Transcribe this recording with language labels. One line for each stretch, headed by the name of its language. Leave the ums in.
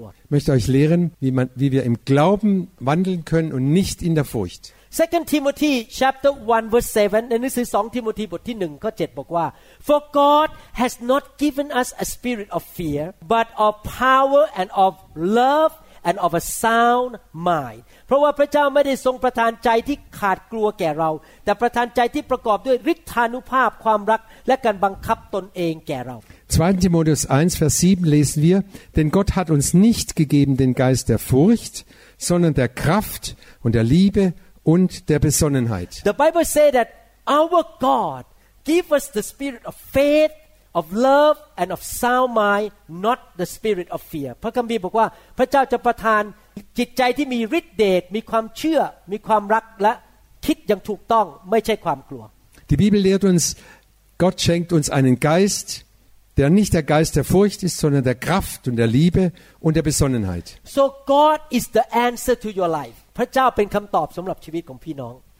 German: möchte euch lehren, wie, man, wie, wir im Glauben wandeln können und nicht in der Furcht.
English: 2 Timothy chapter 1 verse 7
Thai: ในหนังสือ2ทิโมธีบทที่1ข้อ7บอกว่า
English: For God has not given us a spirit of fear but of power and of love and of a sound mind
Thai: เพราะว่าพระเจ้าไม่ได้ทรงประทานใจที่ขาดกลัวแก่เรา แต่ประทานใจที่ประกอบด้วยฤทธานุภาพความรักและการบังคับตนเองแก่เรา
German: 2 Timotheus 1 Vers 7 lesen wir denn Gott hat uns nicht gegeben den Geist der Furcht sondern der Kraft und der Liebe und der Besonnenheit
English: The Bible says that our God give us the spirit of faith of love and of sound mind not the spirit of fear
Thai: พระคัมภีร์บอกว่า พระเจ้าจะประทานจิตใจที่มีฤทธิ์เดชมีความเชื่อ มีความรักและคิดอย่างถูกต้องไม่ใช่ความกลัว
German: Die Bibel lehrt uns Gott schenkt uns einen Geist der nicht der Geist der Furcht ist sondern der Kraft und der Liebe und der Besonnenheit
English: So God is the answer to your life
Thai: พระเจ้าเป็นคําตอบสําหรับชีวิตของพี่น้อง